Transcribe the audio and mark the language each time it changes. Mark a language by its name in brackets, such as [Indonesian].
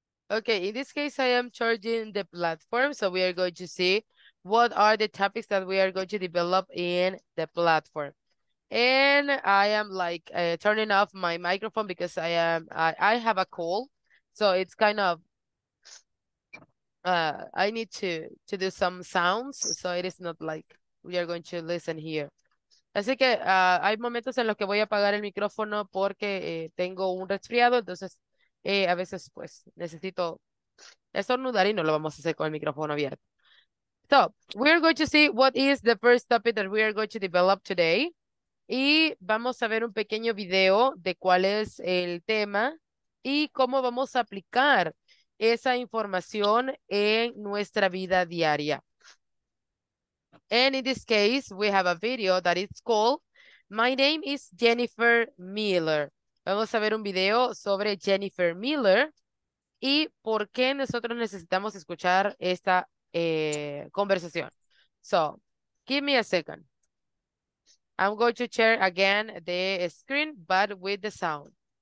[English] Okay, in this case, I am charging the platform, so we are going to see what are the topics that we are going to develop in the platform. And I am like turning off my microphone because I have a call, so it's kind of I need to do some sounds, so it is not like we are going to listen here. [Spanish] Así que hay momentos en los que voy a apagar el micrófono porque tengo un resfriado, entonces a veces, pues, necesito estornudar y no lo vamos a hacer con el micrófono abierto. So, we are going to see what is the first topic that we are going to develop today. Y vamos a ver un pequeño video de cuál es el tema y cómo vamos a aplicar esa información en nuestra vida diaria. [English] And in this case, we have a video that is called My Name is Jennifer Miller. [Spanish] Vamos a ver un video sobre Jennifer Miller y por qué nosotros necesitamos escuchar esta conversación. [English] So, give me a second. I'm going to share again the screen, but with the sound.